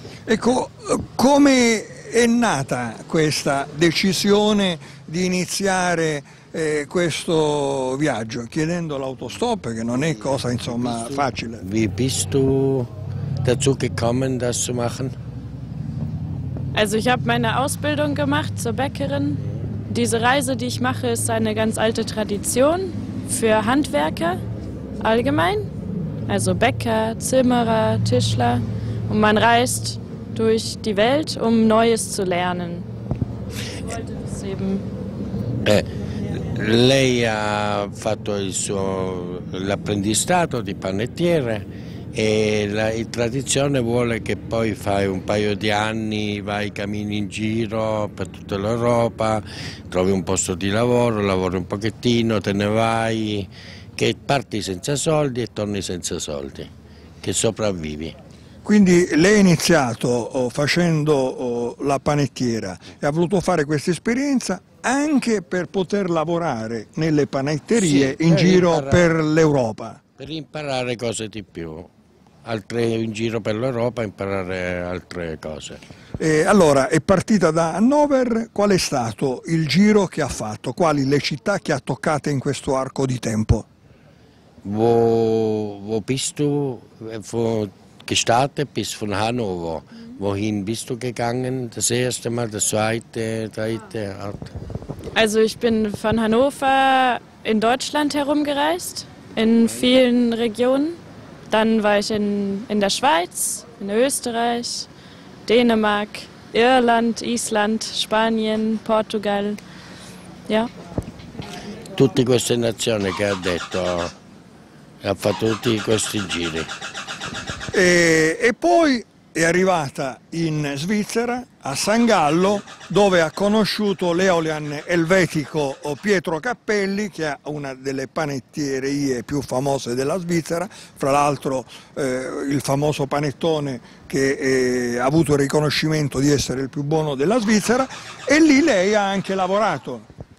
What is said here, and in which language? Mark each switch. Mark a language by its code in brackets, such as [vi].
[it] Ecco, come è nata questa decisione di iniziare questo viaggio chiedendo l'autostop, che non è cosa insomma facile. [de] Wie bist du dazu gekommen, das zu machen? Also ich habe meine Ausbildung gemacht zur Bäckerin. Diese Reise, die ich mache, ist eine ganz alte Tradition für Handwerker allgemein, also Bäcker, Zimmerer, Tischler, und man reist durch die Welt, um Neues zu lernen. Ich wollte das eben. [it] Lei ha fatto il suo l'apprendistato di panettiere e la tradizione vuole che poi fai un paio di anni, vai, cammini in giro per tutta l'Europa, trovi un posto di lavoro, lavori un pochettino, te ne vai, che parti senza soldi e torni senza soldi, che sopravvivi. Quindi lei ha iniziato facendo la panettiera e ha voluto fare questa esperienza anche per poter lavorare nelle panetterie, sì, in giro per l'Europa. Per imparare cose di più, altre in giro per l'Europa, imparare altre cose. E allora, è partita da Hannover, qual è stato il giro che ha fatto? Quali le città che ha toccato in questo arco di tempo? [de] Wo bist du gestartet bis von Hannover? Wohin bist du gegangen? Das erste Mal, das zweite, dritte? Also ich bin von Hannover in Deutschland herumgereist, in vielen Regionen. Dann war ich in der Schweiz, in Österreich, Dänemark, Irland, Island, Spanien, Portugal. Ja. [it] Tutte queste nazioni che ha detto, ha fatto tutti questi giri. E poi è arrivata in Svizzera, a San Gallo, dove ha conosciuto l'Eolian elvetico Pietro Cappelli, che è una delle panetterie più famose della Svizzera, fra l'altro il famoso panettone che ha avuto il riconoscimento di essere il più buono della Svizzera, e lì lei ha anche lavorato.